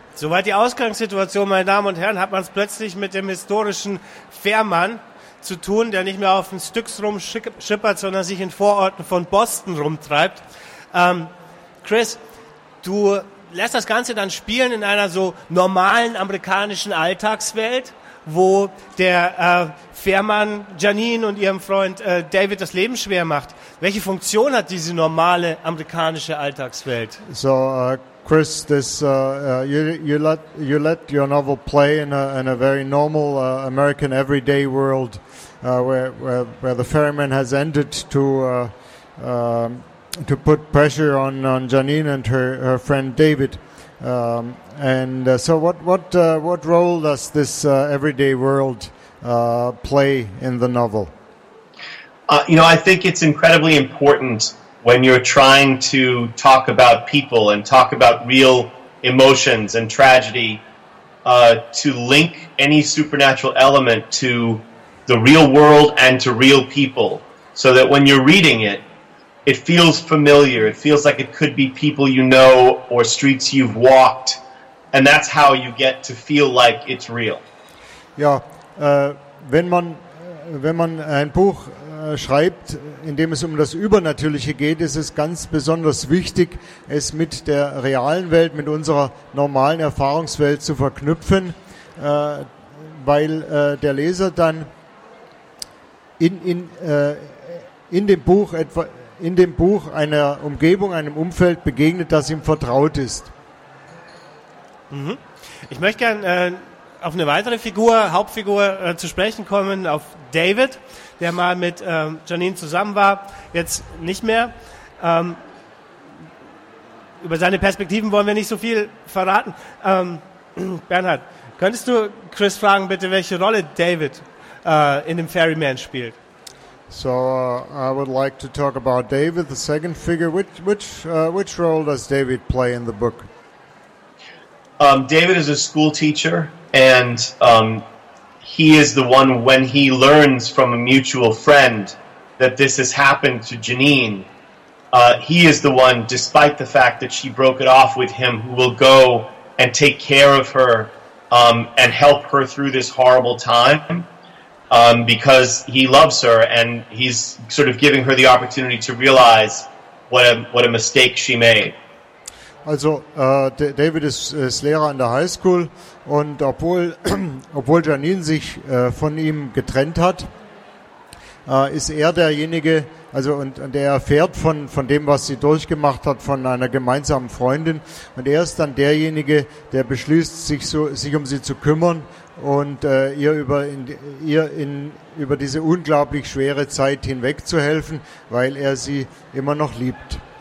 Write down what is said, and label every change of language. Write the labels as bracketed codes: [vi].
[de] Soweit die Ausgangssituation, meine Damen und Herren, hat man es plötzlich mit dem historischen Fährmann zu tun, der nicht mehr auf den Styx rumschippert, sondern sich in Vororten von Boston rumtreibt. Chris, du lässt das Ganze dann spielen in einer so normalen amerikanischen Alltagswelt, wo der Fährmann Janine und ihrem Freund David das Leben schwer macht. Welche Funktion hat diese normale amerikanische Alltagswelt? [en] So, Chris, this you let your novel play in a very normal American everyday world, where the ferryman has ended to put pressure on Janine and her friend David, so what role does this everyday world play in the novel? You know, I think it's incredibly important. When you're trying to talk about people and talk about real emotions and tragedy, to link any supernatural element to the real world and to real people, so that when you're reading it, it feels familiar. It feels like it could be people you know or streets you've walked, and that's how you get to feel like it's real. [de] Ja, wenn man ein Buch schreibt, indem es um das Übernatürliche geht, ist es ganz besonders wichtig, es mit der realen Welt, mit unserer normalen Erfahrungswelt zu verknüpfen, weil der Leser dann in dem Buch einer Umgebung, einem Umfeld begegnet, das ihm vertraut ist. Ich möchte gerne auf eine weitere Figur, Hauptfigur zu sprechen kommen, auf David, der mal mit Janine zusammen war, jetzt nicht mehr. Über seine Perspektiven wollen wir nicht so viel verraten. Bernhard, könntest du Chris fragen, bitte, welche Rolle David in dem Ferryman spielt? [en] So, I would like to talk about David, the second figure. Which role does David play in the book? David is a school teacher. And he is the one, when he learns from a mutual friend that this has happened to Janine, he is the one, despite the fact that she broke it off with him, who will go and take care of her and help her through this horrible time. because he loves her, and he's sort of giving her the opportunity to realize what a mistake she made. [de] Also, David ist Lehrer an der High School, und obwohl Janine sich von ihm getrennt hat, ist er derjenige, also und er erfährt von dem, was sie durchgemacht hat, von einer gemeinsamen Freundin, und er ist dann derjenige, der beschließt, sich um sie zu kümmern und ihr über diese unglaublich schwere Zeit hinweg zu helfen, weil er sie immer noch liebt.